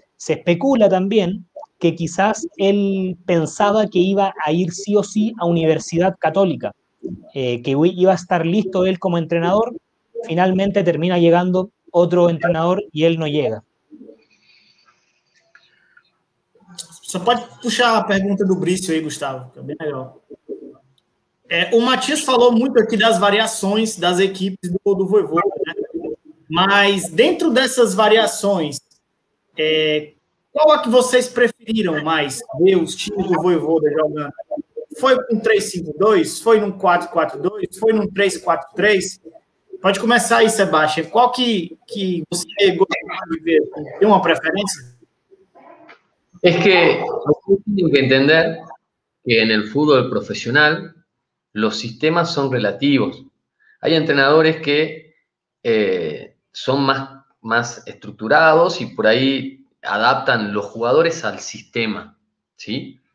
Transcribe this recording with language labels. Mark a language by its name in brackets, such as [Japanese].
[Spanish] Se especula también que quizás él pensaba que iba a ir sí o sí a Universidad Católica. Que iba a estar listo él como entrenador, finalmente termina llegando otro entrenador y él no llega. [Portuguese] Só pode puxar a pergunta do Brício aí, Gustavo, que é bem legal. O Matias falou muito aqui das variações das equipes do Vovô, né? Mas dentro dessas variações, qual é que vocês preferiram mais ver os times do Vovô jogando? Foi com 3-5-2? Foi num 4-4-2? Foi num 3-4-3? Pode começar aí, Sebastião. Qual que você gostou de ver? Tem uma preferência? [Spanish] Es que tienen que entender que en el fútbol profesional los sistemas son relativos. Hay entrenadores que son más estructurados y por ahí adaptan los jugadores al sistema, ¿sí?